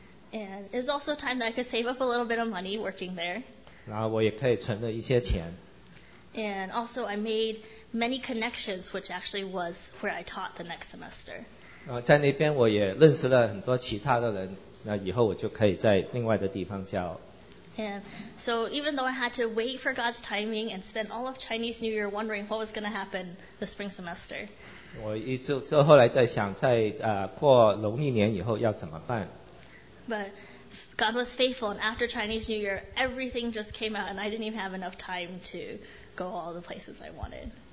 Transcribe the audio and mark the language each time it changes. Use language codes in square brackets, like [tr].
[en] And it's also time that I could save up a little bit of money working there. [zh] 然后我也可以存了一些钱。 [en] And also I made many connections, which actually was where I taught the next semester. [zh] 在那边我也认识了很多其他的人, 那以后我就可以在另外的地方教。 [en] And so even though I had to wait for God's timing and spend all of Chinese New Year wondering what was going to happen the spring semester. [zh] 我一直后来在想，在过农历年以后要怎么办。 [en] But God was faithful, and after Chinese New Year, everything just came out, and I didn't even have enough time to go all the places I wanted.